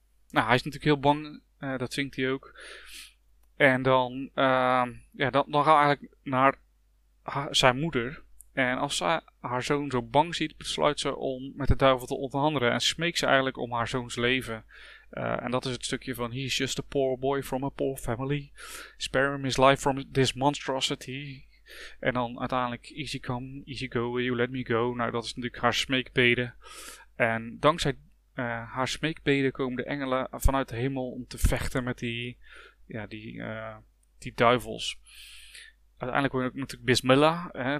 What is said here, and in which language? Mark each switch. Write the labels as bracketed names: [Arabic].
[Dutch] Nou, hij is natuurlijk heel bang, dat zingt hij ook. En dan gaan we eigenlijk naar zijn moeder. En als ze haar zoon zo bang ziet, besluit ze om met de duivel te onderhandelen. En smeekt ze eigenlijk om haar zoons leven. En dat is het stukje van, [English] he's just a poor boy from a poor family. Spare him his life from this monstrosity. [Dutch] En dan uiteindelijk, [English] easy come, easy go, will you let me go? [Dutch] Nou, dat is natuurlijk haar smeekbeden. En dankzij haar smeekbeden komen de engelen vanuit de hemel om te vechten met die ja, die duivels. Uiteindelijk hoor je natuurlijk Bismillah. Hè?